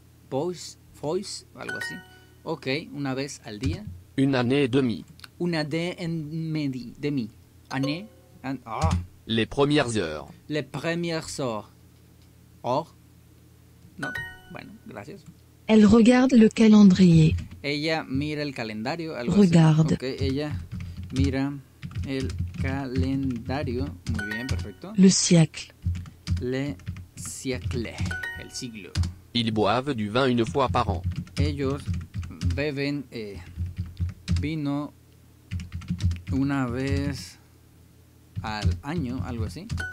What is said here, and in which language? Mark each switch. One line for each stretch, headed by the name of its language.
Spanish: Bos, fois, algo así. Ok, una vez al día.
French: Une année et demie. Une année et demie. Année. Les premières heures. Les premières heures. Or.
Spanish: No. Bueno, gracias.
French: Elle regarde le calendrier.
Spanish: Ella mira el calendario, algo
French: regarde.
Spanish: Ok, ella mira el calendario. Muy bien, perfecto.
French: Le siècle. Le siècle. El siglo. Ils boivent du vin une fois par an.
Spanish: Ellos beben vino una vez al año, algo así.